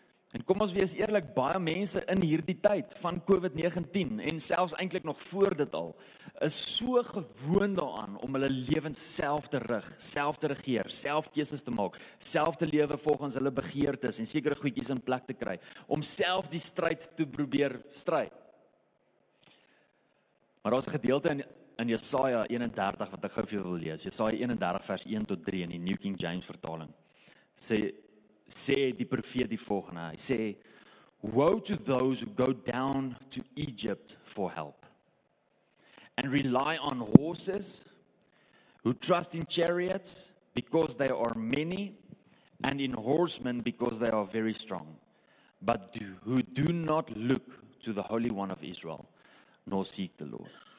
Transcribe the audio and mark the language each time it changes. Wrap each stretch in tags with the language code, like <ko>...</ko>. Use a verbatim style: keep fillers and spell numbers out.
<af>En kom ons wees eerlik, baie mense in hierdie tyd van covid negentien en selfs eintlik nog voor dit al, is so gewoond daaraan om hulle lewens self te rig, self te regeer, self keuses te maak, self te lewe volgens hulle begeertes en sekere goedjies in plek te kry, om self die stryd te probeer stry. Maar daar's 'n gedeelte in in Jesaja eenendertig wat ek gou vir julle wil lees. Jesaja eenendertig vers een tot drie in die New King James vertaling. Sê sê die profeet die volgende, hy sê,</af> <en>woe to those who go down to Egypt for help, and rely on horses, who trust in chariots, because they are many, and in horsemen, because they are very strong, but do, who do not look to the Holy One of Israel, nor seek the Lord.</en>